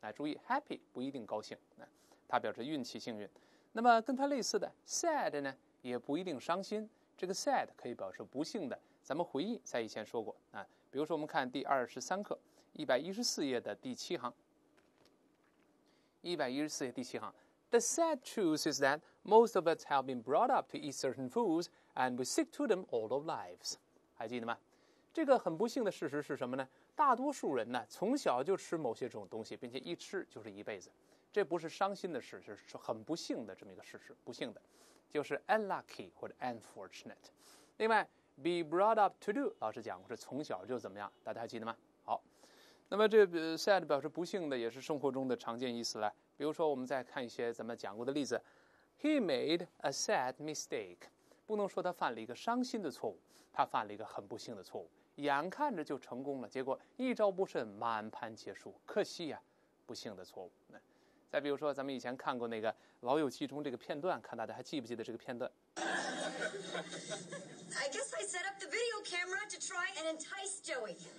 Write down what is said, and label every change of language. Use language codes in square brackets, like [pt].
[zh] 注意，happy 不一定高兴，它表示运气幸运。那么跟它类似的 sad 呢，也不一定伤心。这个 sad 可以表示不幸的。咱们回忆在以前说过啊，比如说我们看第23课114页的第7行，114页第7行。 [en] The sad truth is that most of us have been brought up to eat certain foods, and we stick to them all our lives. [zh] 还记得吗？这个很不幸的事实是什么呢？大多数人呢，从小就吃某些种东西，并且一吃就是一辈子。这不是伤心的事实，是很不幸的这么一个事实。不幸的，就是 unlucky 或者 unfortunate。另外， [en] be brought up to do [zh] 老师讲过是从小就怎么样，大家还记得吗？好，那么这 sad 表示不幸的，也是生活中的常见意思了。比如说，我们再看一些咱们讲过的例子。 [en] He made a sad mistake. [zh] 不能说他犯了一个伤心的错误，他犯了一个很不幸的错误。眼看着就成功了，结果一招不慎，满盘皆输。可惜呀，不幸的错误。再比如说，咱们以前看过那个《老友记》中这个片段，看大家还记不记得这个片段 [en] ？I guess I set up the video camera to try and entice Joey.